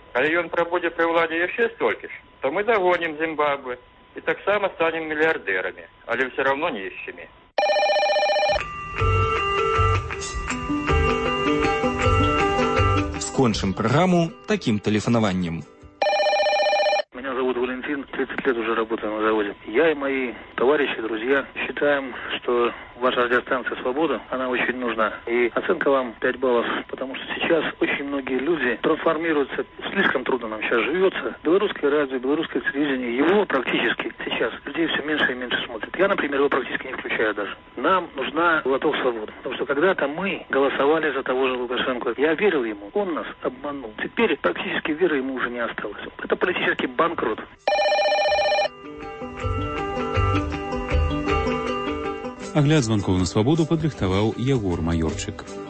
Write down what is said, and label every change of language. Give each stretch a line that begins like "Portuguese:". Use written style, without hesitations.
Belarusian: Калі ён прабудзе пры ўладзе яшчэ столькі ж, то мы дагонім Зімбабве і таксама станем мільярдэрамі, але ўсё равно нішчымі. Скончым праграму такім тэлефанаваннем.
Russian: Меня зовут Валентин, 30. лет уже работаю на заводе. Я и мои товарищи, друзья считаем, что ваша радиостанция «Свобода», она очень нужна. И оценка вам 5 баллов, потому что сейчас очень многие люди трансформируются. Слишком трудно нам сейчас живется. Белорусское радио, белорусское телевидение, его практически сейчас людей все меньше и меньше смотрят. Я, например, его практически не включаю даже. Нам нужна «Лоток свободы», потому что когда-то мы голосовали за того же Лукашенко. Я верил ему, он нас обманул. Теперь практически веры ему уже не осталось. Это политический банкрот.
Belarusian: Агляд дзвонкоў на свабоду падрыхтаваў Ягор Маёрчык.